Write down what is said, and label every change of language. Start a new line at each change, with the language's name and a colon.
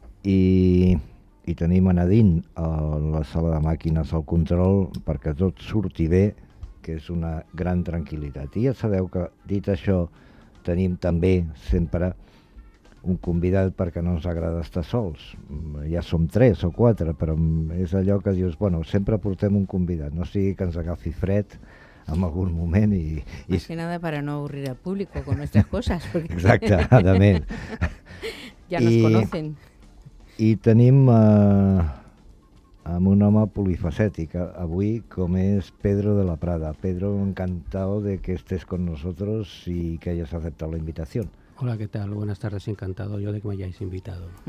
Catalan: I tenim a Nadine a la sala de màquines al control perquè tot surti bé, que és una gran tranquil·litat. I ja sabeu que, dit això, tenim també sempre un convidat perquè no ens agrada estar sols. Ja som tres o quatre, però és allò que dius, bueno, sempre portem un convidat, no sigui que ens agafi fred en algun moment.
Spanish: Más que nada para no aburrir al público con nuestras cosas. Porque...
Catalan: Exacte, adament.
Spanish: Ya nos conocen.
Catalan: I tenim amb un home polifacètic avui, com és Pedro de la Prada.
Spanish: Pedro, encantado de que estés con nosotros y que hayas aceptado la invitación. Hola, ¿qué tal? Buenas tardes, encantado yo de que me hayáis invitado.